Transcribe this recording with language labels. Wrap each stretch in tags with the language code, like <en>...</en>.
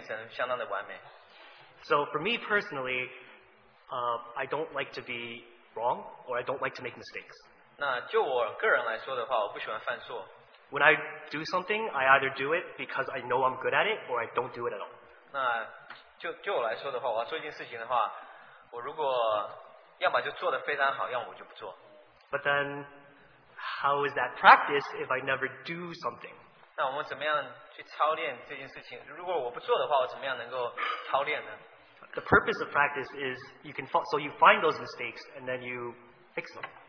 <zh>那就是反复的去做，重复的去做，一直到你在这件事情变成相当的完美。</zh> <en>So for me personally, I don't like to be wrong, or I don't like to make mistakes.</en> <zh>那就我个人来说的话，我不喜欢犯错。</zh> <en>When I do something, I either do it because I know I'm good at it, or I don't do it at all.</en> <zh>那就我来说的话，我要做一件事情的话，我如果要么就做得非常好，要么我就不做。</zh> <en>But then, how is that practice if I never do something?</en> <zh>那我们怎么样去操练这件事情？如果我不做的话，我怎么样能够操练呢？</zh> <en>The purpose of practice is you can so you find those mistakes and then you fix them.</en>